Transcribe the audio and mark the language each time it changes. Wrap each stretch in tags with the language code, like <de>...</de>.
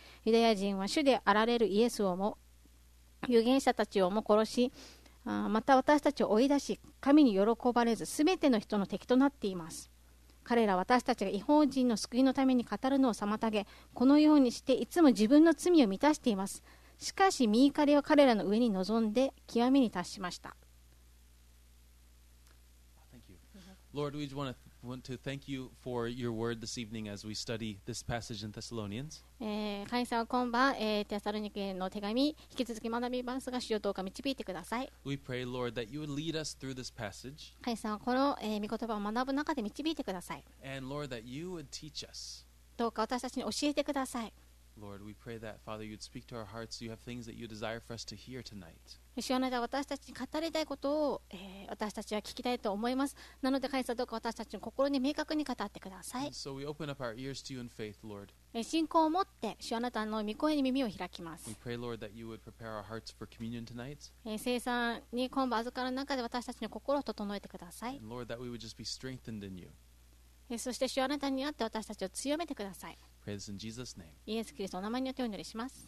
<ja>ユダヤ人は主であられるイエスをも、預言者たちをも殺し、また私たちを追い出し、神に喜ばれず、すべての人の敵となっています。彼ら、私たちが異邦人の救いのために語るのを妨げ、このようにしていつも自分の罪を満たしています。しかし、身怒りは彼らの上に臨んで、極みに達しました。</ja> <en>Thank you. Lord, we just want to thank you for your word this evening as we study this passage in Thessalonians.</en> <ja>神様、今晩、テサロニケの手紙引き続き学びますが、主よ、どうか導いてください。</ja> <en>We pray, Lord, that you would lead us through this passage.</en> <ja>神様、この、御言葉を学ぶ中で導いてください。</ja> <en>And Lord, that you would teach us.</en> <ja>どうか私たちに教えてください。</ja> <en>Lord, we pray that Father, you'd speak to our hearts. You have things that you desire for us to hear tonight.</en> <ja>主よ、あなたは私たちに語りたいことを、私たちは聞きたいと思います。なので、神様、どうか私たちの心に明確に語ってください。</ja> <en>So、we open up our ears to you in faith, Lord.</en> <ja>信仰を持って、主よ、あなたの御声に耳を開きます。</ja> <en>We pray, Lord, that you would prepare our hearts for communion tonight.</en> <ja>聖餐に今晩預かる中で私たちの心を整えてください。</ja> <en>And Lord, that we would just be strengthened in you.</en> <ja>そして、主よ、あなたにあって私たちを強めてください。</ja> <en>Pray this in Jesus' name.</en> <ja>イエス・キリストの名前によってお祈りします。</ja>